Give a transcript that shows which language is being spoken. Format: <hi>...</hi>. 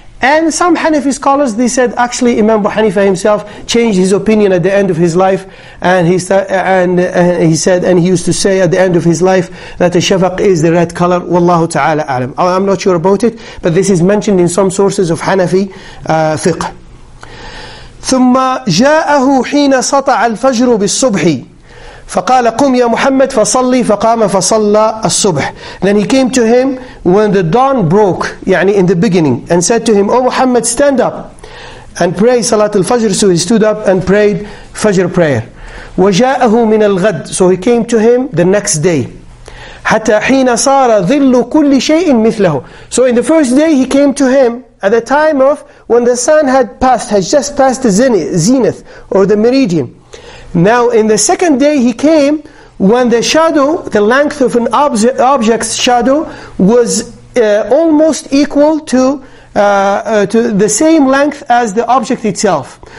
<en>And some Hanafi scholars, they said, actually Imam Abu Hanifa himself changed his opinion at the end of his life. And he used to say at the end of his life that the shafaq is the red color. Wallahu ta'ala a'lam. I'm not sure about it, but this is mentioned in some sources of Hanafi fiqh.</en> <ar>ثُمَّ جَاءَهُ حِينَ سَطَعَ الْفَجْرُ بِالصُّبْحِ فقال قم يا محمد فصلي فقام فصلى الصبح.</ar> <en>Then he came to him when the dawn broke, يعني in the beginning, and said to him, O Muhammad, stand up and pray Salat al-Fajr. So he stood up and prayed Fajr prayer.</en> <ar>وجاءه من الغد.</ar> <en>So he came to him the next day.</en> <ar>حتى حين صار ظل كل شيء مثله.</ar> <en>So in the first day he came to him at the time of when the sun has just passed the zenith or the meridian. Now in the second day he came when the shadow, the length of an object's shadow was almost equal to the same length as the object itself.</en>